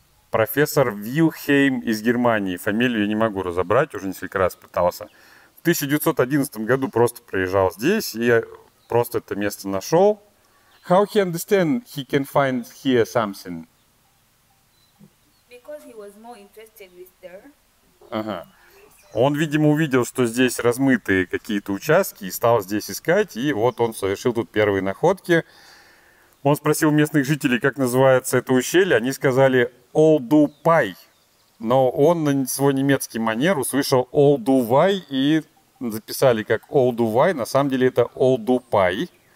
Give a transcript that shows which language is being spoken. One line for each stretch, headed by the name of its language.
Russian: Профессор Вильхельм из Германии. Фамилию я не могу разобрать, уже несколько раз пытался. В 1911 году просто проезжал здесь и просто это место нашел.
English: How he understand he can find here something? Because he was more interested with there.
Russian: Ага. Он, видимо, увидел, что здесь размытые какие-то участки, и стал здесь искать, и вот он совершил тут первые находки. Он спросил местных жителей, как называется это ущелье, они сказали Олдупай, но он на свой немецкий манер услышал Олдувай и записали как Олдувай, на самом деле это Олдупай.